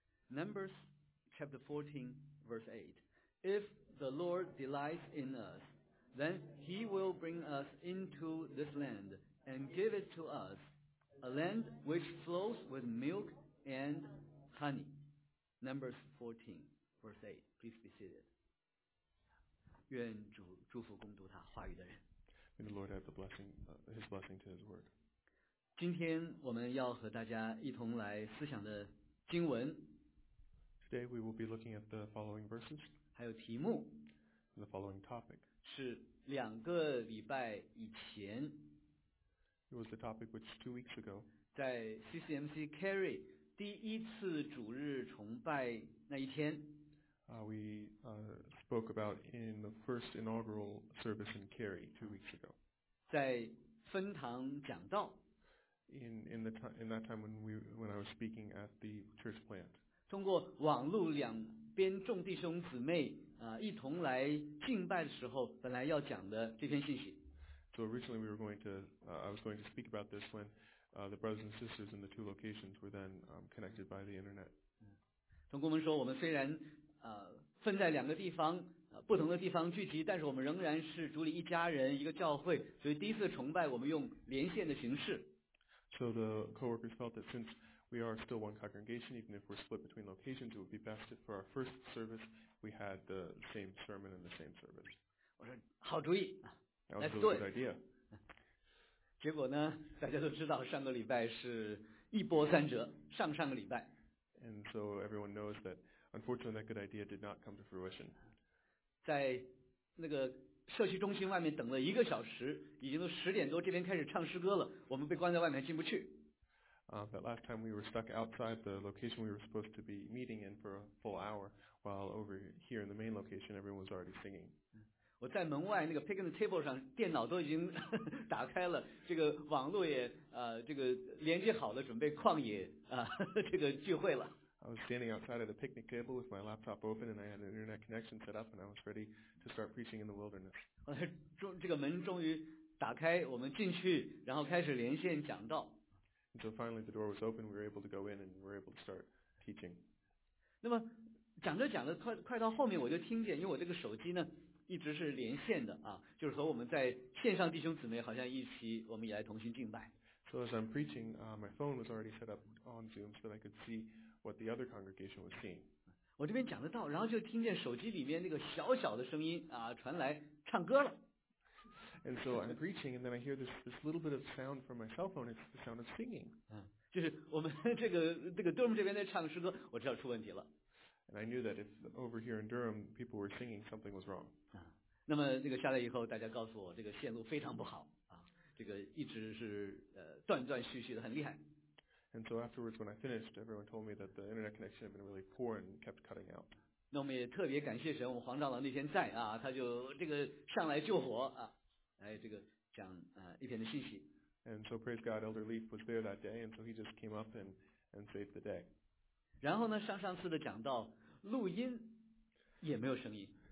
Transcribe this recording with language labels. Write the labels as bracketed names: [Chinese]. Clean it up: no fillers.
[English] Numbers chapter 14, verse 8. If the Lord delights in us, then he will bring us into this land and give it to us, a land which flows with milk and honey. Numbers 14, verse 8. Please be seated. [Chinese] 愿主祝福共读他话语的人。 [English] May the Lord add the blessing, His blessing to His word. [Chinese] 今天我们要和大家一同来思想的经文。 [English] Today we will be looking at the following verses. [Chinese] 还有题目。 [English] The following topic. [Chinese] 是两个礼拜以前。 [English] It was the topic which 2 weeks ago. [Chinese] 在 CCMC Carey 第一次主日崇拜那一天。 [English] We spoke about in the first inaugural service in Cary 2 weeks ago. [Chinese] 在分堂讲道。 [English] In that time when I was speaking at the church plant. [Chinese] 通过网路两边众弟兄姊妹一同来敬拜的时候，本来要讲的这篇信息。 [English] So originally I was going to speak about this when the brothers and sisters in the two locations were then connected by the internet. [Chinese] 同工们说，我们虽然分在两个地方不同的地方聚集，但是我们仍然是主里一家人，一个教会。所以第一次崇拜，我们用连线的形式。 [English] So the coworkers felt that since we are still one congregation, even if we're split between locations, it would be best if for our first service we had the same sermon and the same service. [Chinese] 我说好主意 [English] ，That's a good idea. [Chinese] 结果呢，大家都知道，上个礼拜是一波三折，上上个礼拜。 [English] And so everyone knows that, unfortunately, that good idea did not come to fruition. [Chinese] 在那个社区中心外面等了一个小时，已经都十点多，这边开始唱诗歌了，我们被关在外面进不去。 [English] That last time we were stuck outside the location we were supposed to be meeting in for a full hour, while over here in the main location, everyone was already singing. [Chinese] 我在门外那个 picnic table 上，电脑都已经打开了，这个网络也这个连接好了，准备旷野这个聚会了。 [English] I was standing outside of the picnic table with my laptop open, and I had an internet connection set up, and I was ready to start preaching in the wilderness. [Chinese] 后来这个门终于打开，我们进去，然后开始连线讲道。 [English] And so finally the door was open, we were able to go in, and we were able to start teaching. [Chinese] 那么讲着讲着，快到后面，我就听见，因为我这个手机呢。一直是连线的啊，就是和我们在线上弟兄姊妹好像一起，我们也来同心敬拜。 [English] So as I'm preaching, my phone was already set up on Zoom so that I could see what the other congregation was seeing. [Chinese] 我这边讲得到，然后就听见手机里面那个小小的声音啊传来唱歌了。 [English] And so I'm preaching, and then I hear this little bit of sound from my cell phone. It's the sound of singing. [Chinese] 就是我们这个 Durham 这边在唱诗歌，我知道出问题了。 [English] And I knew that if over here in Durham people were singing, something was wrong. [Chinese] 那么这个下来以后，大家告诉我这个线路非常不好啊，这个一直是断断续续的，很厉害。 [English] And so afterwards, when I finished, everyone told me that the internet connection had been really poor and kept cutting out. [Chinese] 那我们也特别感谢神，我黄长老那天在啊，他就这个上来救火啊，来这个讲一篇的信息。 [English] And so praise God, Elder Leaf was there that day, and so he just came up and saved the day. [Chinese] 然后呢，上上次的讲到录音也没有声音。